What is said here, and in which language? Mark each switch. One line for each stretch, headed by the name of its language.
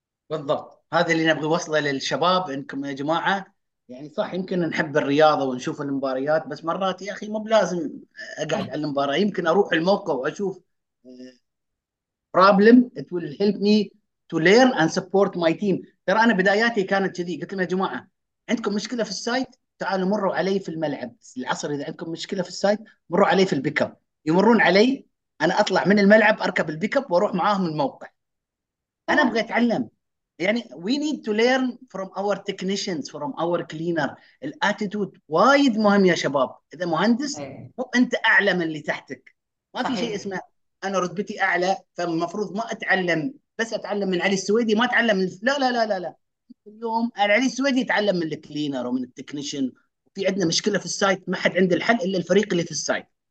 Arabic: بالضبط، هذا اللي نبغي وصله للشباب، انكم يا جماعه يعني صح يمكن نحب الرياضه ونشوف المباريات، بس مرات يا اخي مو بلازم اقعد على المباراه، يمكن اروح الموقع واشوف
English: problem it will help me to learn and support my team.
Arabic: ترى انا بداياتي كانت كذي، قلت لهم يا جماعه عندكم مشكله في السايت تعالوا مروا علي في الملعب العصر، اذا عندكم مشكله في السايت مروا علي في البيك اب. يمرون علي، انا اطلع من الملعب اركب البيك اب واروح معاهم الموقع. انا ابغى اتعلم، يعني
English: we need to learn from our technicians, from our cleaner.
Arabic: الاتيتود وايد مهم يا شباب. اذا مهندس مو انت اعلى من اللي تحتك، ما في صحيح شيء اسمه انا رتبتي اعلى فالمفروض ما اتعلم، بس اتعلم من علي السويدي ما اتعلم من لا لا لا لا لا، اليوم العريس وين يتعلم من الكلينر ومن التكنيشن؟ في عندنا مشكله في السايت، ما حد عنده الحل الا الفريق اللي في السايت.